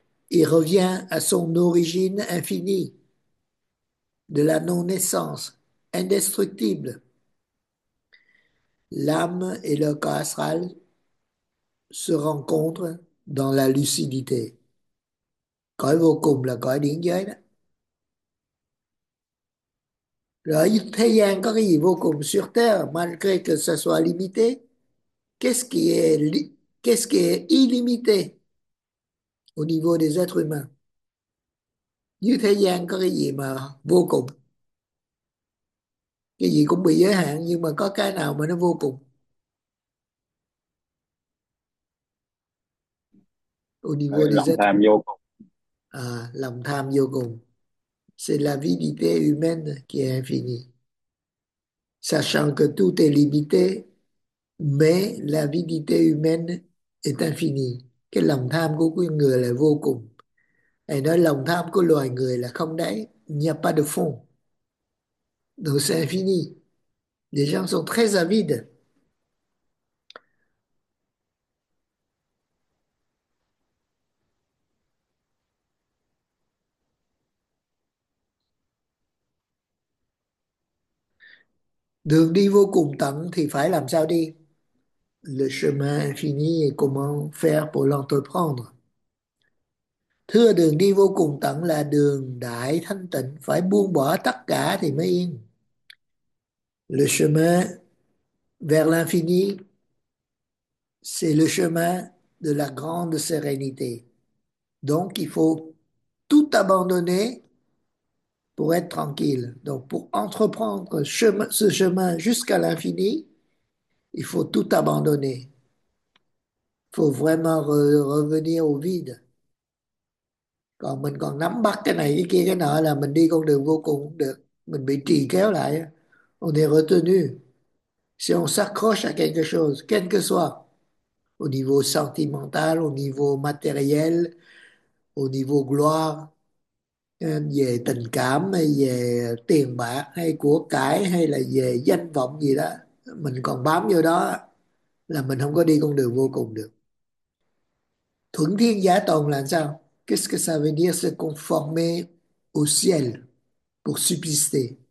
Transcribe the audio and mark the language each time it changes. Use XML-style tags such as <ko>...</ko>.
<fr>Il revient à son origine infinie, de la non-naissance, indestructible. L'âme et le corps astral se rencontre dans la lucidité.</fr> <vi>Cõi vô cùng là cõi điển giới đó. Rồi, thế gian có cái gì vô cùng</vi> <fr>sur terre, malgré que ce soit limité? Qu'est-ce qui est illimité au niveau des êtres humains?</fr> <vi>Như thế gian có cái gì mà vô cùng? Cái gì cũng bị giới hạn, nhưng mà có cái nào mà nó vô cùng?</vi> <fr>Au niveau des</fr> <vi>Lòng</vi> <fr>êtres</fr> <vi>tham</vi> <fr>humains.</fr> <vi>vô cùng. À, lòng tham vô cùng.</vi> <fr>C'est la vanité humaine qui est infinie. Sachant que tout est limité, mais la vanité humaine est infinie.</fr> <vi>Cái lòng tham của con người là vô cùng. Et nói lòng tham của loài người là không đáy.</vi> <fr>Il n'y a pas de fond. Donc c'est infini. Les gens sont très avides.</fr> <vi>Đường đi vô cùng tận thì phải làm sao đi?</vi> <fr>Le chemin infini et comment faire pour l'entreprendre?</fr> <vi>Thưa, đường đi vô cùng tận là đường đại thanh tịnh, phải buông bỏ tất cả thì mới yên.</vi> <fr>Le chemin vers l'infini, c'est le chemin de la grande sérénité. Donc, il faut tout abandonner pour être tranquille. Donc, pour entreprendre ce chemin jusqu'à l'infini, il faut tout abandonner. Il faut vraiment revenir au vide.</fr> <vi>Còn mình còn nắm bắt cái này, cái kia, cái nọ là mình đi con đường vô cùng cũng được. Mình bị trì kéo lại.</vi> <fr>On est retenu. Si on s'accroche à quelque chose, quel que soit, au niveau sentimental, au niveau matériel, au niveau gloire,</fr> <vi>về tình cảm hay về tiền bạc hay của cải hay là về danh vọng gì đó, mình còn bám vô đó là mình không có đi con đường vô cùng được. Thuận thiên giả tồn là sao?</vi> <fr>Qu'est-ce que ça veut dire se conformer au ciel pour subsister?</fr>